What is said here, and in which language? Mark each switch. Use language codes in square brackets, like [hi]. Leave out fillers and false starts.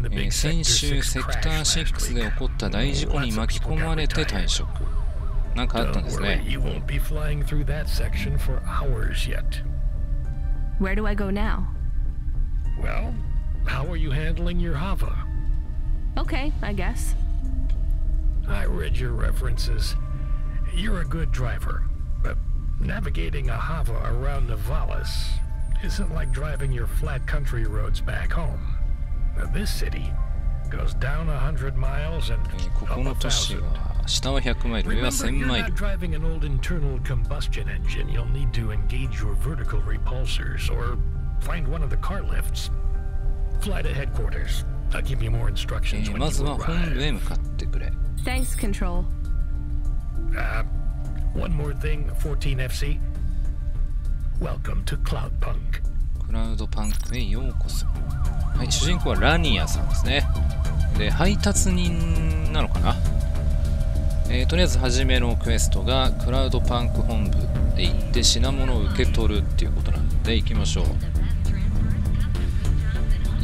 [ja] 先週セクター6で起こった大事故に巻き込まれて退職。なんかあったんですね。 [en] You won't be flying through that section for hours yet. Where do I go now? Well, how are you handling your Hava? Okay, I guess. I read your references. You're a good driver, but navigating a Hava around Novalis isn't like driving your flat country roads back home. This city goes down 100 miles and [ja] ここの都市は下は100マイル、上は1000マイル。 [en] driving an old internal combustion engine, you'll need to engage your vertical repulsors or find one of the car lifts. Fly to headquarters. I'll give you more instructions when you arrive. [ja] まずは本部へ向かってくれ。 [en] Thanks, Control. One more thing, 14FC. Welcome to Cloudpunk. [ja] クラウドパンクへようこそ。はい、主人公はラニアさんですね。で、配達人なのかな。とりあえず初めのクエストがクラウドパンク本部で行って品物を受け取るっていうことなんで行きましょう。